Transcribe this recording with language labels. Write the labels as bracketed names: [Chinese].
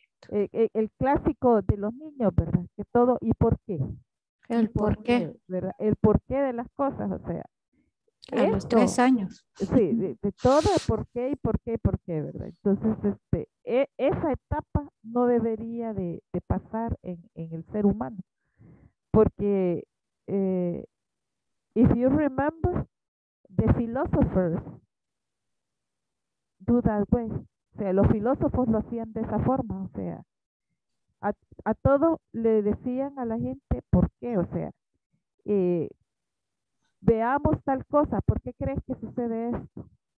[Spanish] El clásico de los niños, ¿verdad? Que todo, ¿y por qué? ¿Y El por por qué qué? ¿Verdad? El porqué de las cosas, o sea, a los 3 años. sí, de todo es por qué y por qué y por qué, ¿verdad? Entonces, esa etapa no debería de pasar en el ser humano. Porque, [English] if you remember, the philosophers do that way. [Spanish] O sea, los filósofos lo hacían de esa forma. O sea, a todo le decían a la gente por qué. O sea, veamos tal cosa, ¿por qué crees que sucede esto?